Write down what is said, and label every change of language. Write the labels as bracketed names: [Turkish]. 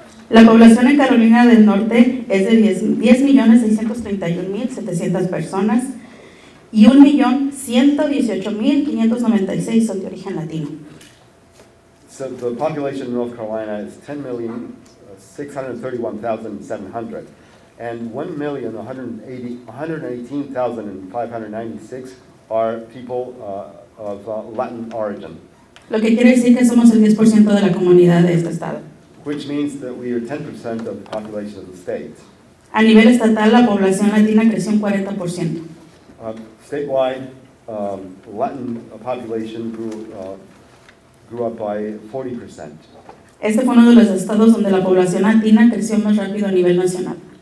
[Spanish] La población en Carolina del Norte es de 10,631,700 personas y 1,118,596 son de origen latino. [English] So the population in North Carolina is 10,631,700 and 1,118,596 are people of Latin origin. [Spanish] Lo que quiere decir que somos el 10% de la comunidad de este estado. [English] Which means that we are 10% of the population of the state. [Spanish] A nivel estatal, la población latina creció un 40%. [English] Statewide, Latin population grew up by 40%. [Spanish] Este fue uno de los estados donde la población latina creció más rápido a nivel nacional.